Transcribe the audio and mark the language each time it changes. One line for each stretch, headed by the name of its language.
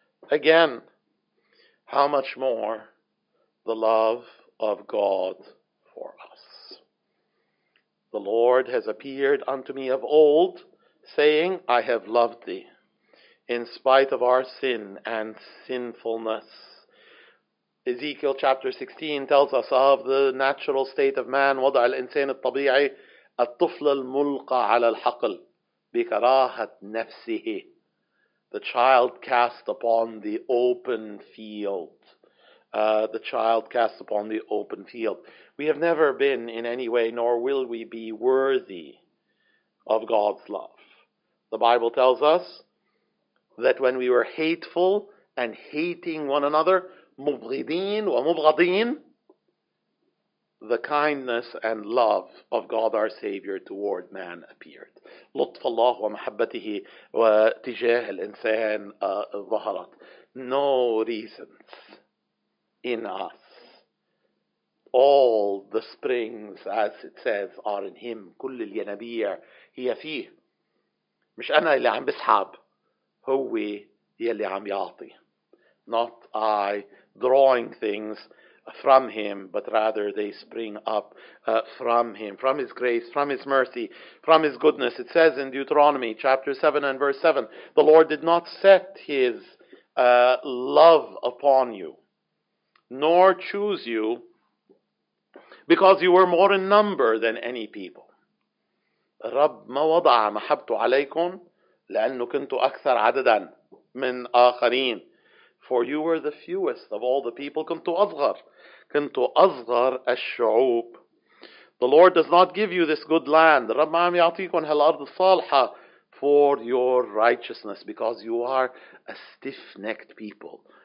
English: Again, how much more the love of God for us. The Lord has appeared unto me of old, saying, I have loved thee, in spite of our sin and sinfulness. Ezekiel chapter 16 tells us of the natural state of man.
Arabic: وضع الإنسان الطبيعي الطفل الملقى على الحقل بكراهة نفسه.
English: The child cast upon the open field. We have never been in any way, nor will we be, worthy of God's love. The Bible tells us that when we were hateful and hating one another,
Arabic: مبغضين ومبغضين,
English: the kindness and love of God our Savior toward man appeared.
Arabic: لطف الله ومحبته وتجاه الإنسان ظهرت.
English: No reasons in us. All the springs, as it says, are in him.
Arabic: كل الينابيع هي فيه. مش أنا اللي عم بسحب. هو يلي عم يعطي.
English: Not I drawing things from him, but rather they spring up from him, from his grace, from his mercy, from his goodness. It says in Deuteronomy chapter 7 and verse 7, the Lord did not set his love upon you, nor choose you, because you were more in number than any people.
Arabic: رب ما وضع محبته عليكم لأنه كنت أكثر عددا من آخرين.
English: For you were the fewest of all the people.
Arabic: كنت أصغر الشعوب.
English: The Lord does not give you this good land.
Arabic: رَبَّمْ يَعْطِيكُنْ هَلْأَرْضِ صَالْحَةً
English: for your righteousness, because you are a stiff-necked people.